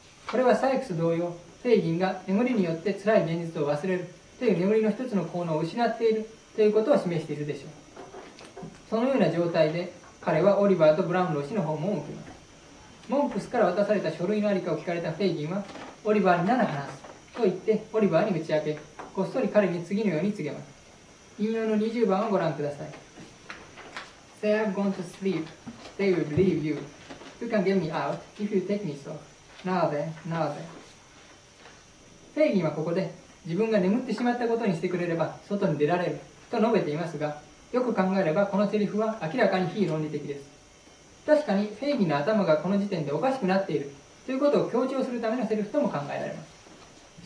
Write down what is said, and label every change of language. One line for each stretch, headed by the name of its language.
Japanese: これはサイクス同様、フェイギンが眠りによって辛い現実を忘れるという眠りの一つの効能を失っているということを示しているでしょう。そのような状態で彼はオリバーとブラウンロー氏の訪問を受けます。モンクスから渡された書類のありかを聞かれたフェイギンは、オリバーに7話すと言ってオリバーに打ち明け、こっそり彼に次のように告げます。引用の20番をご覧ください。
English: They have gone to sleep. They will believe you. You can get me out if you take me so.
Japanese: なぜ、なぜ。フェーギンはここで、自分が眠ってしまったことにしてくれれば外に出られると述べていますが、よく考えればこのセリフは明らかに非論理的です。確かにフェーギンの頭がこの時点でおかしくなっているということを強調するためのセリフとも考えられます。